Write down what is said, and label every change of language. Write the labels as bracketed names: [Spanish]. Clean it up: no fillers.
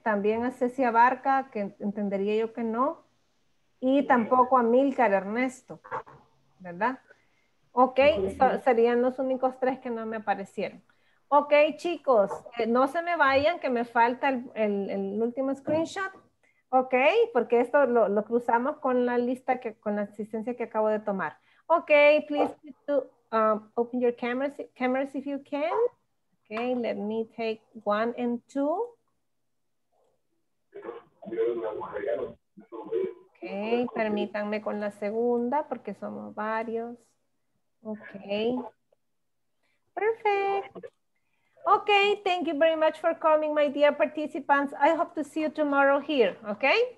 [Spanish] También a Ceci Abarca, que entendería yo que no. Y tampoco a Milcar Ernesto, ¿verdad? Ok, serían los únicos tres que no me aparecieron. Ok, chicos, no se me vayan, que me falta el último screenshot. Ok, porque esto lo cruzamos con la lista, que, con la asistencia que acabo de tomar. [English] Ok, please to, open your cameras if you can. Ok, let me take one and two. [Spanish] Ok, permítanme con la segunda, porque somos varios. Ok. Perfecto. [English] Okay, thank you very much for coming, my dear participants. I hope to see you tomorrow here, okay?